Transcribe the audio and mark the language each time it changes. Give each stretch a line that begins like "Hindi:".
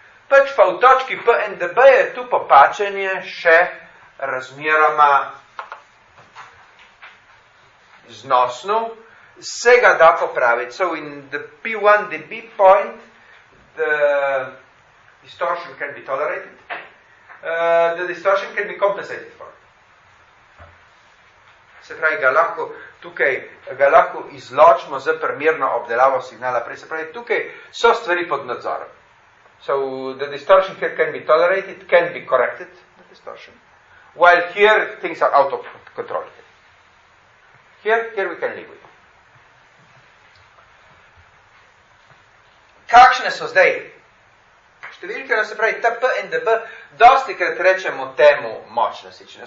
Slovenian: Pač pa v točki PNDB je tu popačenje še razmeroma znosno, se ga da popraviti.
English: So in the P1dB point, the distortion can be tolerated, the distortion can be compensated for.
Slovenian: Se pravi, ga lahko tukaj ga lahko izločimo z primerno obdelavo signala. Se pravi, tukaj so stvari pod nadzorom.
English: So the distortion here can be tolerated, it can be corrected, the distortion. While here things are out of control. Here we can live with it.
Slovenian: Kakšne so zdaj? Številke, da se pravi TP in DB, dosti krat rečemo temu moč nasičenja.